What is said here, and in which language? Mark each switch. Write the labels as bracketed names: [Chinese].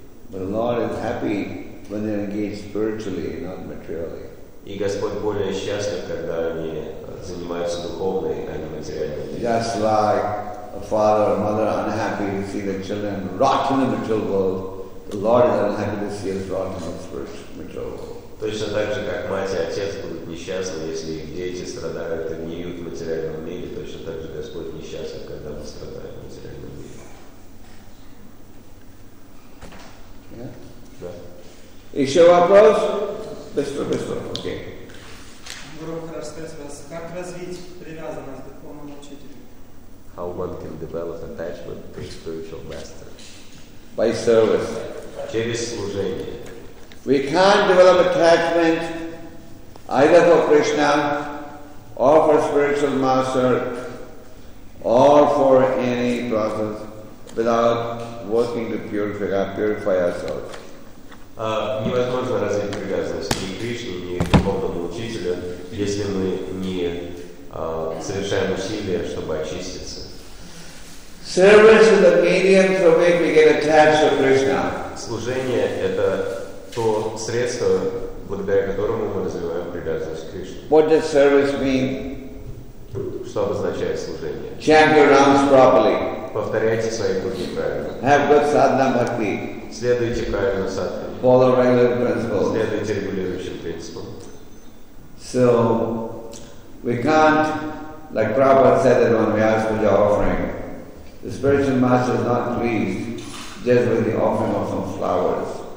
[English] But the Lord is happy when they're engaged spiritually, not materially. [Russian] И Господь более счастлив, когда они занимаются духовной, а не материальной. [English] Just like a father or mother unhappy to see their children rot in the material world, the Lord is unhappy to see us rot in the spiritual world. [Russian] Точно так же, как мать и отец будут несчастны, если их дети страдают и гниют в материальном мире, точно так же Господь несчастлив, когда мы страдаем в материальном мире. [English] Yeah? [Russian] Да. Еще вопрос? Быстро. Окей. Гуру, расскажи вас, как развить привязанность к духовному учителю? [English] How one can develop attachment to a spiritual master? By service. [Russian] Через служение. [English] We can't develop attachment either for Krishna or for a spiritual master or for any process without working to purify ourselves. [Russian] Невозможно развить привязанность ни к Кришне, ни к духовному учителю, если мы не совершаем усилия, чтобы очиститься. [English] Service is the medium through which we get attached to Krishna. [Russian] Служение это то средство, благодаря которому мы развиваем привязанность к Кришне. [English] What does service mean? [Russian] Что обозначает служение? [English] Chant your rounds properly. [Russian] Повторяйте свои пути правильно. [English] Have good sadhana bhakti. [Russian] Следуйте правильно садхане. [English] Follow regular principles. [Russian] Следуйте регулирующим принципам. [English] So we can't, like Prabhupada said it when we asked for the offering, the spiritual master is not pleased just with the offering of some flowers.